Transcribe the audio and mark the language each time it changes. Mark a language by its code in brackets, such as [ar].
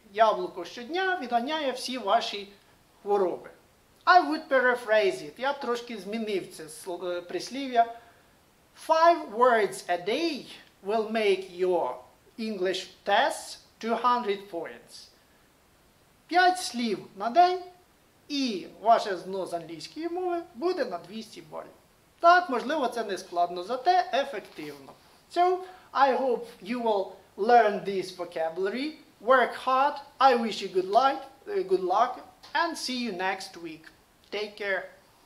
[uk] Яблуко щодня відганяє всі ваші хвороби. [en] I would paraphrase it. [uk] Я б трошки змінив це прислів'я. [en] Five words a day will make your English test 200 points. [uk] П'ять слів на день і ваше ЗНО з англійської мови буде на 200 балів. Так, можливо, це не складно, зате ефективно. [en] So, I hope you will learn this vocabulary, work hard, I wish you good luck, and see you next week. Take care.